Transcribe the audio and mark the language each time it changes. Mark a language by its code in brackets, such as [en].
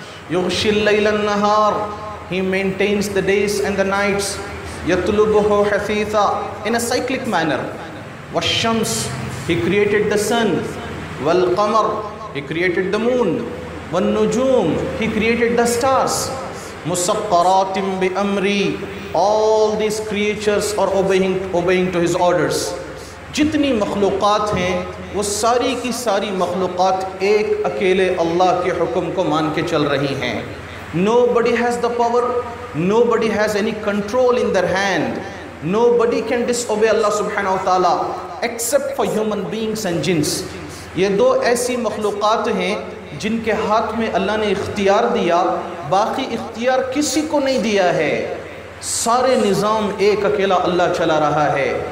[ar] یغشی اللیل النہار، [en] he maintains the days and the nights, [ar] یطلبہ حثیثا، [en] in a cyclic manner, والشمس، he created the sun, والقمر، he created the moon, والنجوم، he created the stars, [ar] مسقرات بامری، [en] all these creatures are obeying to his orders. [ur] جتنی مخلوقات ہیں وہ ساری کی ساری مخلوقات ایک اکیلے اللہ کے حکم کو مان کے چل رہی ہیں. [en] Nobody has the power, nobody has any control in their hand, nobody can disobey Allah subhanahu wa ta'ala except for human beings and jinns. [ur] یہ دو ایسی مخلوقات ہیں جن کے ہاتھ میں اللہ نے اختیار دیا، باقی اختیار کسی کو نہیں دیا ہے. سارے نظام ایک اکیلا اللہ چلا رہا ہے.